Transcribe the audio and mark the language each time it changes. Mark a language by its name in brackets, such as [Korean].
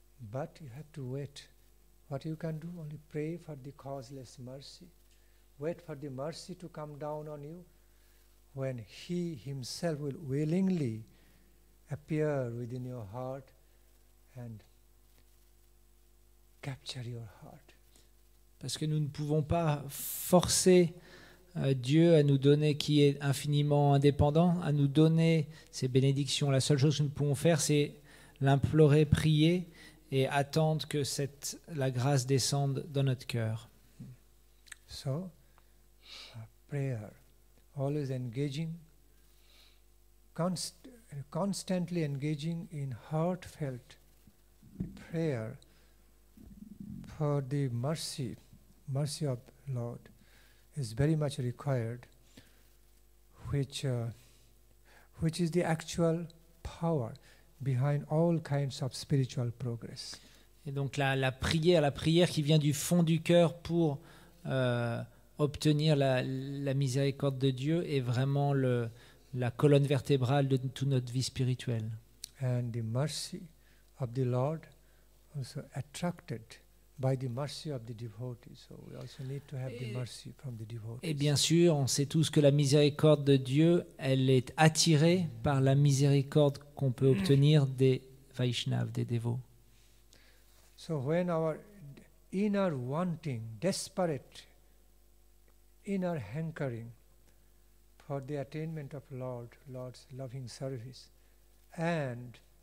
[English] But you have to wait. What you can do? Only pray for the causeless mercy. Wait for the mercy to come down on you when He Himself will willingly appear within your heart and capture your heart. [French] Parce que nous ne pouvons pas forcer Dieu à nous donner, qui est infiniment indépendant, à nous donner ses bénédictions. La seule chose que nous pouvons faire, c'est l'implorer, prier, et attendre que la grâce descende dans notre cœur. [English] So, prayer, always engaging, constantly engaging in heartfelt prayer for the mercy of Lord, is very much required, which is the actual power behind all kinds of spiritual progress. [French] Et donc la prière qui vient du fond du cœur pour obtenir la miséricorde de Dieu est vraiment la colonne vertébrale de toute notre vie spirituelle. [English] And the mercy of the Lord also attracted by the mercy of the devotee. So we also need to have the mercy from the devotee. [French] Et bien sûr, on sait tous que la miséricorde de Dieu, elle est attirée par la miséricorde qu'on peut obtenir des Vaishnavas, des dévots. [English] So when our inner wanting, desperate inner hankering for the attainment of Lord's loving service, and